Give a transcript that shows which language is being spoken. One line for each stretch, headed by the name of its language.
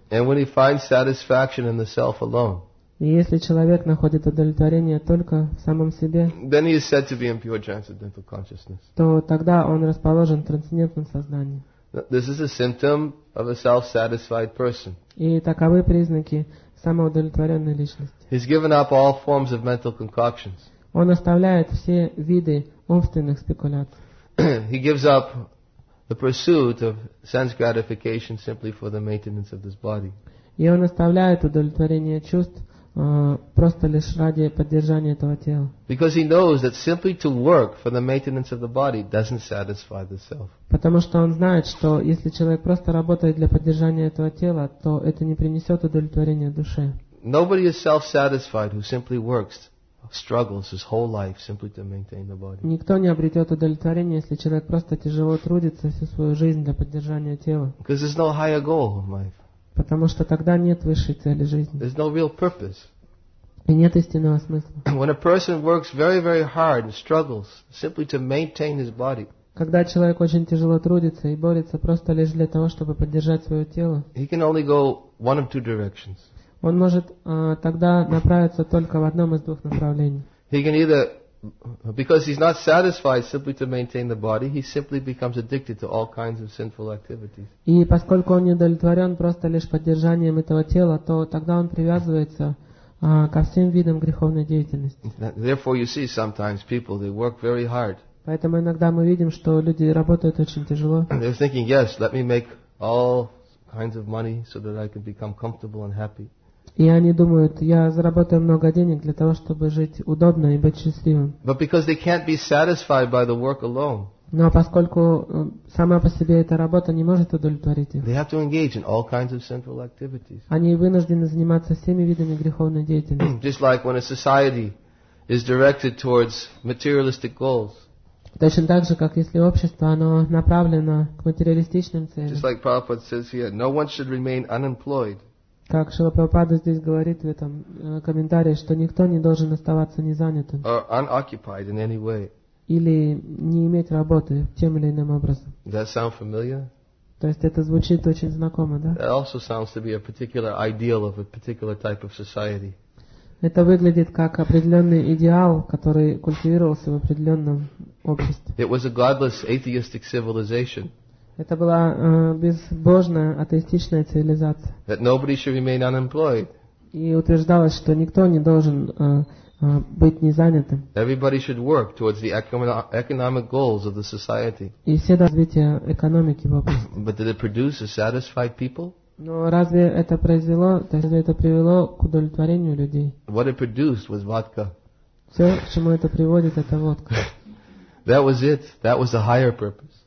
English: And when he finds satisfaction in the self alone,
Russian: и если человек находит удовлетворение только в самом себе,
English: then he is said to be in pure transcendental consciousness.
Russian: То тогда он расположен в трансцендентном сознании.
English: This is a symptom of a self-satisfied person.
Russian: И таковы признаки самоудовлетворенной личности.
English: He's given up all forms of mental concoctions.
Russian: Он оставляет все виды умственных спекуляций.
English: He gives up the pursuit of sense gratification simply for the maintenance of this body.
Russian: И он оставляет удовлетворение чувств просто лишь ради поддержания этого тела.
English: Because he knows that simply to work for the maintenance of the body doesn't satisfy the self.
Russian: Потому что он знает, что если человек просто работает для поддержания этого тела, то это не принесет удовлетворения душе.
English: Nobody is self-satisfied who simply works, struggles his whole life simply to maintain the body.
Russian: Никто не обретет удовлетворение, если человек просто тяжело трудится всю свою жизнь для поддержания тела.
English: Because there's no higher goal in life.
Russian: Потому что тогда нет высшей цели жизни.
English: There's no real purpose.
Russian: И нет истинного смысла.
English: When a person works very, very hard and struggles simply to maintain his body,
Russian: когда человек очень тяжело трудится и борется просто лишь для того, чтобы поддержать свое тело,
English: he can only go one of two directions.
Russian: Он может тогда направиться только в одном из двух направлений.
English: He can either, because he's not satisfied simply to maintain the body, he simply becomes addicted to all kinds of sinful activities.
Russian: И поскольку он не удовлетворен просто лишь поддержанием этого тела, то тогда он привязывается ко всем видам греховной деятельности.
English: Therefore, you see, sometimes people, they work very hard.
Russian: Поэтому иногда мы видим, что люди работают очень тяжело.
English: They're thinking, yes, let me make all kinds of money so that I can become comfortable and happy.
Russian: И они думают, я заработаю много денег для того, чтобы жить удобно и быть счастливым.
English: But because they can't be satisfied by the work alone.
Russian: Но поскольку сама по себе эта работа не может удовлетворить их,
English: they have to engage in all kinds of sinful activities.
Russian: Они вынуждены заниматься всеми видами греховной деятельности.
English: Just like when a society is directed towards materialistic goals.
Russian: Точно так же, как если общество, оно направлено к материалистичным целям.
English: Just like Prabhupada says here, no one should remain unemployed.
Russian: Как Шрила Прабхупада здесь говорит в этом комментарии, что никто не должен оставаться незанятым.
English: Or unoccupied in any way.
Russian: Или не иметь работы тем или иным образом.
English: Does that sound familiar?
Russian: То есть это звучит очень знакомо, да?
English: That also sounds to be a particular ideal of a particular type of society.
Russian: Это выглядит как определенный идеал, который культивировался в определенном обществе.
English: It was a godless atheistic civilization.
Russian: Это была безбожная атеистичная цивилизация.
English: That nobody should remain unemployed.
Russian: И утверждалось, что никто не должен быть незанятым.
English: Everybody should work towards the economic goals of the society.
Russian: И все развитие экономики в обществе.
English: But did it produce a satisfied people?
Russian: Но разве это произвело, разве это привело к удовлетворению людей?
English: What it produced was vodka.
Russian: Все, к чему это приводит, это водка.
English: That was it. That was the higher purpose.